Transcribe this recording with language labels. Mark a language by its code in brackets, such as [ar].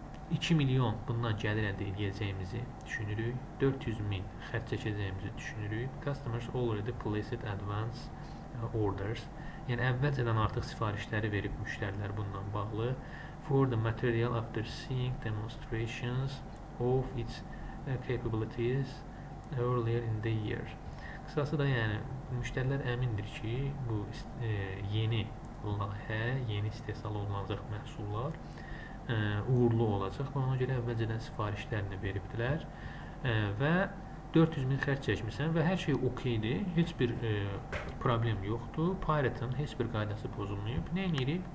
[az] 2 milyon bundan gəlir əldə edəcəyimizi düşünürük. 400 min xərc çəkəcəyimizi düşünürük. [en] Customers already placed advance orders. [az] Yəni əvvəlcədən artıq sifarişləri verib müştərilər bundan bağlı. [en] For the material after seeing demonstrations of its capabilities earlier in the year. [az] Qısası da yəni müştərilər əmindir ki, bu yeni layihə, yeni istehsal olunacaq məhsullar uğurlu olacaq və ona görə əvvəlcədən sifarişlərini veribdilər və 400 min xərc çəkmişsən və hər şey okeydir, heç bir problem yoxdur, Pirate'ın heç bir qaydası pozulmayıb, nə edirik?